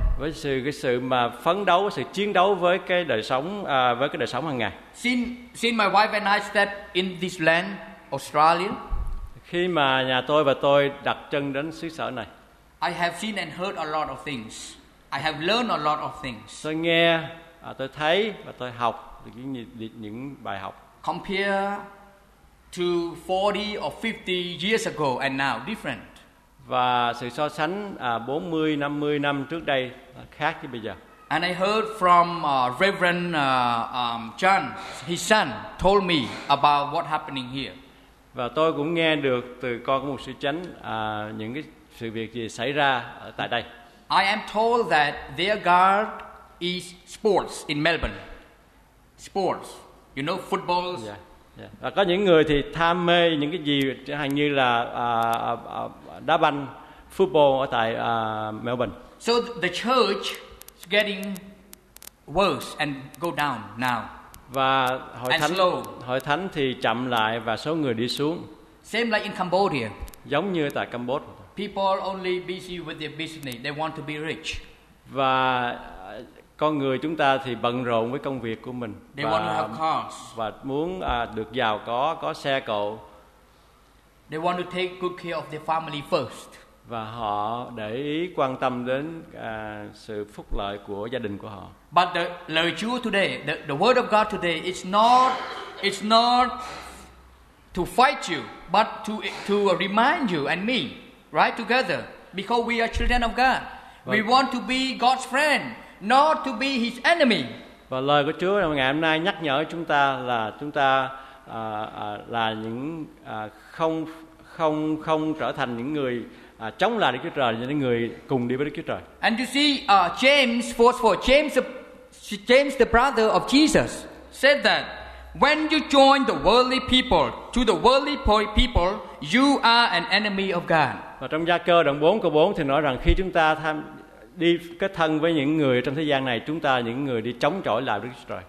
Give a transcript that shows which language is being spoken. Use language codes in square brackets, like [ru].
[vi] Với sự mà phấn đấu, sự chiến đấu với cái đời sống với cái đời sống hàng ngày. [en] Since my wife and I step in this land, Australia. [vi] Khi mà nhà tôi và tôi đặt chân đến xứ sở này. [en] I have seen and heard a lot of things. I have learned a lot of things. [vi] Tôi nghe, tôi thấy và tôi học được những bài học. [en] Compare to 40 or 50 years ago and now different. [vi] Và sự so sánh 40, 50 năm trước đây khác với bây giờ. [en] And I heard from Reverend John, his son, told me about what happening here. [vi] Và tôi cũng nghe được từ con của một sư chánh những cái sự việc gì xảy ra tại đây. [en] I am told that their God is sports in Melbourne. Sports. You know, football. Yeah. Yeah. [vi] Và có những người thì tham mê những cái gì chẳng hạn như là đá banh, football ở tại Melbourne. [en] So the church is getting worse and go down now. [vi] Và hội thánh thì chậm lại và số người đi xuống. [en] Same like in Cambodia. [vi] Giống như tại Cambodia. [en] People only busy with their business. They want to be rich. [vi] Và con người chúng ta thì bận rộn với công việc của mình và muốn được giàu có xe cộ. [en] They want to take good care of their family first. [vi] Và họ để ý quan tâm đến sự phúc lợi của gia đình của họ. [en] But the [vi] lời Chúa [en] today, the word of God today, it's not to fight you, but to remind you and me, right together, because we are children of God. We want to be God's friend. Not to be his enemy. [vi] Và lời của Chúa ngày hôm nay nhắc nhở chúng ta là chúng ta là những không trở thành những người chống lại Đức Chúa Trời, những người cùng đi với Đức Chúa Trời. [en] And you see, James the brother of Jesus said that when you join the worldly people to the worldly people, you are an enemy of God. [vi] Và trong Gia-cơ đoạn 4 câu 4 thì nói rằng khi chúng ta tham đi kết thân với những người trong thế gian này, chúng ta những người đi chống chọi lại Đức Chúa Trời.